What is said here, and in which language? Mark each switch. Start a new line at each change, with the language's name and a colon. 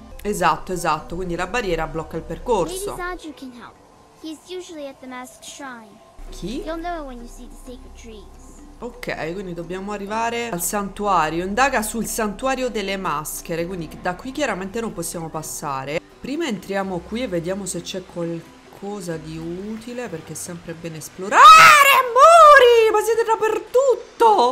Italian: Esatto, esatto, quindi la barriera blocca il percorso.
English: Maybe can help. He's usually at the masked shrine.
Italian: Chi?
English: You'll know when you see the sacred trees.
Italian: Ok, quindi dobbiamo arrivare al santuario. Indaga sul santuario delle maschere. Quindi da qui chiaramente non possiamo passare. Prima entriamo qui e vediamo se c'è qualcosa di utile, perché è sempre bene esplorare. Amori, ma siete dappertutto.